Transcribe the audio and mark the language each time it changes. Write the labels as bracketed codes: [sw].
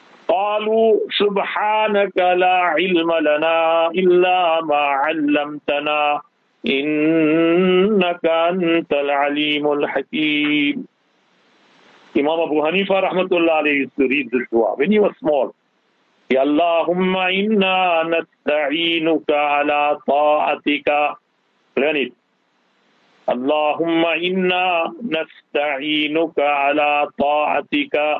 [ar] قالوا سبحانك لا علم لنا إلا ما علمتنا إنك أنت العليم الحكيم. [en] Imam Abu Hanifa rahmatullah alayhi used to read this dua when he was small. [ar] يا اللهم إنا نستعينك على طاعتك. [en] Learn it. [ar] اللهم إنا نستعينك على طاعتك.